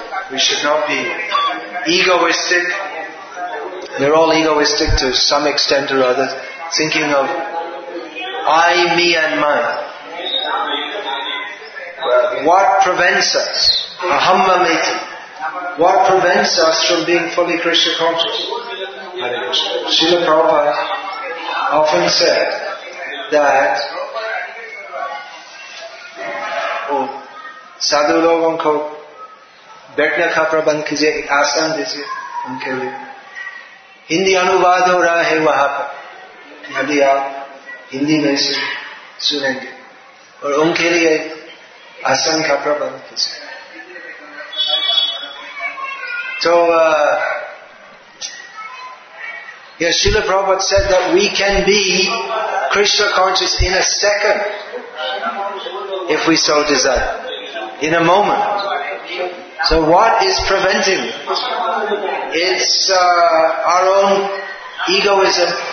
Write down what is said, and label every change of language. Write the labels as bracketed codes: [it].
[en] We should not be egoistic. We're all egoistic to some extent or other, thinking of I, me and mine. What prevents us? [sa] Ahamma meti. [en] What prevents us from being fully Krishna conscious? Srila Prabhupada often said that [hi] साधु लोगों को बैठने का प्रबंध कीजिए, एक आसन दीजिए उनके लिए. हिंदी अनुवाद हो रहा है वहाँ पर, यदि आप हिंदी में से सुनेंगे, और उनके लिए आसन का प्रबंध कीजिए. [en] So yes, Srila Prabhupada said that we can be Krishna conscious in a second if we so desire. In a moment. So what is preventing? It's our own egoism.